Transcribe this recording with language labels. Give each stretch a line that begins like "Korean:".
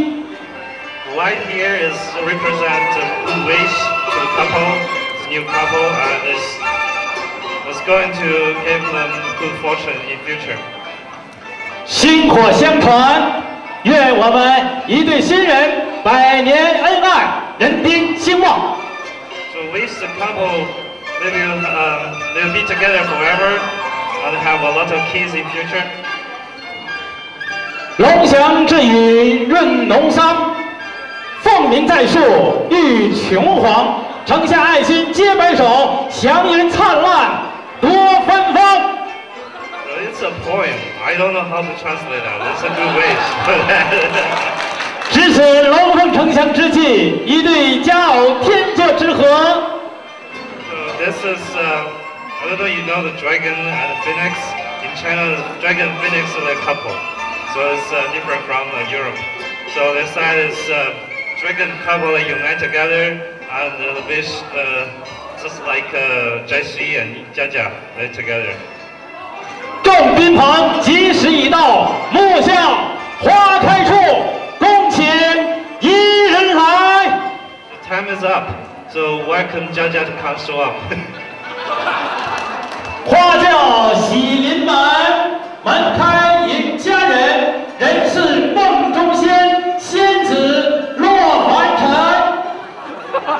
English: Light here is represent a wish to a couple, new couple, and is going to give them good fortune in future.
Chinese: 薪火相传，愿我们一对新人百年恩爱，人丁兴旺。
English: With the couple, they'll be together forever and have a lot of kids in future.
Chinese: 龙祥之雨润农桑，凤鸣在树育雄黄，城下爱心皆摆手，祥云灿烂多芬芳。
English: It's a poem. I don't know how to translate that. That's a good wish.
Chinese: 值此龙凤呈祥之际，一对佳偶天作之合。
English: This is, I don't know, you know the dragon and the phoenix. In China, the dragon and phoenix are a couple. So it's different from Europe. So this side is dragon couple that unite together, and the fish, just like Jesse and Jia Jia, they're together.
Chinese: 众宾朋，吉时已到，木向花开处，恭请伊人来。
English: The time is up. So welcome Jia Jia to come show up.
Chinese: 花轿喜临门，门开迎佳人，人是梦中仙，仙子落凡尘。